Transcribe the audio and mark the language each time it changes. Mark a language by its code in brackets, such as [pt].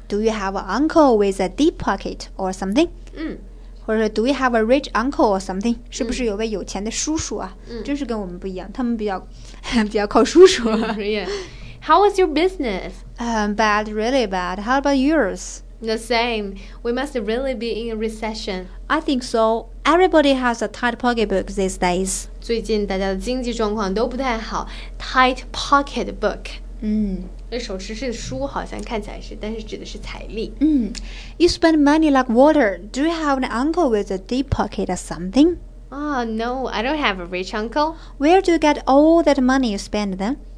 [en] Do you have an uncle with a deep pocket or something？或者 Do you have a rich uncle or something？ [zh] 是不是有位有钱的叔叔啊？真是跟我们不一样，他们比较靠叔叔。 [en] Yeah. How was your business？ Bad, really bad. How about yours？ The same. We must really be in a recession. I think so. Everybody has a tight pocketbook these days. [zh] 最近大家的经济状况都不太好。 [en] Tight pocketbook。 [zh] 那手持是书，好像看起来是，但是指的是财力。 [en] You spend money like water. Do you have an uncle with a deep pocket or something？ No, I don't have a rich uncle. Where do you get all that money you spend then?